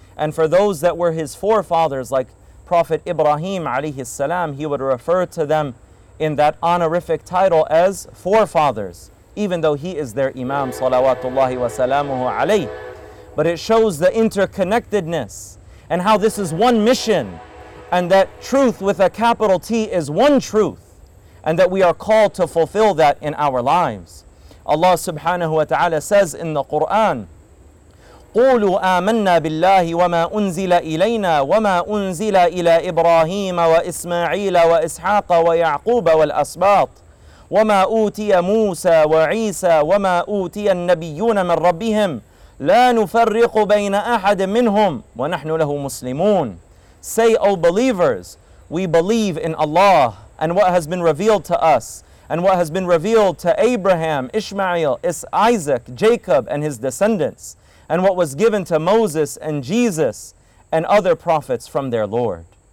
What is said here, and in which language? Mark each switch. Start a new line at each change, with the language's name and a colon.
English: And for those that were his forefathers, like Prophet Ibrahim alayhi salam, he would refer to them in that honorific title as forefathers, even though he is their imam, salawatullahi wa salamuhu alayhi. but it shows the interconnectedness and how this is one mission, and that truth with a capital T is one truth, and that we are called to fulfill that in our lives. Allah subhanahu wa ta'ala says in the Quran,
Arabic: قُولُوا آمَنَّا بِاللَّهِ وَمَا أُنزِلَ إِلَيْنَا وَمَا أُنزِلَ إِلَىٰ إِبْرَاهِيمَ وَإِسْمَعِيلَ وَإِسْحَاقَ وَيَعْقُوبَ وَالْأَسْبَاطِ وَمَا أُوتِيَ مُوسَى وَعِيسَى وَمَا أُوتِيَ النَّبِيُّونَ مِنْ رَبِّهِمْ لَا نُفَرِّقُ بَيْنَ أَحَدٍ مِّنْهُمْ وَنَحْنُ لَهُ مُسْلِمُونَ.
English: Say, O believers, we believe in Allah and what has been revealed to us and what has been revealed to Abraham, Ishmael, Isaac, Jacob and his descendants, and what was given to Moses and Jesus and other prophets from their Lord.